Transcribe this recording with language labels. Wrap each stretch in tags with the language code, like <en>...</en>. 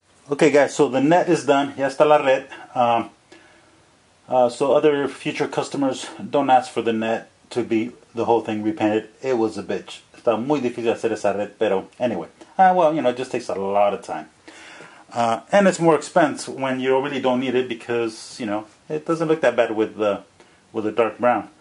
<en>Okay guys, so the net is done.</en> <es>Ya está la red.</es> <en>So other future customers, don't ask for the net to be the whole thing repainted. It was a bitch.</en> <es>Está muy difícil hacer esa red, pero anyway.</es> <en>It just takes a lot of time. And it's more expense when you really don't need it because, it doesn't look that bad with the dark brown.</en>